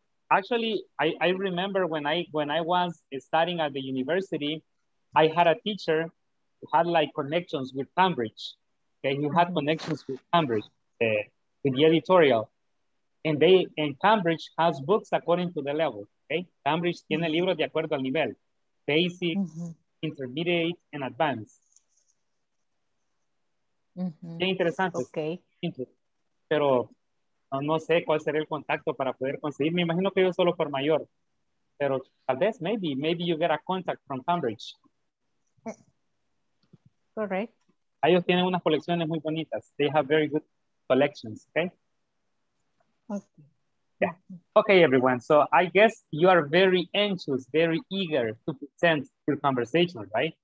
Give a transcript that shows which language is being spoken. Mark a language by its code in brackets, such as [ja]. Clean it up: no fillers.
[en] Actually, I remember when I was studying at the university, I had a teacher who had like connections with Cambridge. Okay, he had connections with Cambridge, with the editorial. And Cambridge has books according to the level. [es] Okay, Cambridge tiene libros de acuerdo al nivel. [en] Basic, intermediate, and advanced. [es] Qué interesante. [en] Okay. [es] Pero no sé cuál será el contacto para poder conseguir. Me imagino que yo solo por mayor. Pero tal vez, [en] maybe you get a contact from Cambridge. Correct. [es] Ellos tienen unas colecciones muy bonitas. [en] They have very good collections, okay? Okay. Yeah. Okay, everyone. So I guess you are very anxious, very eager to present your conversation, right?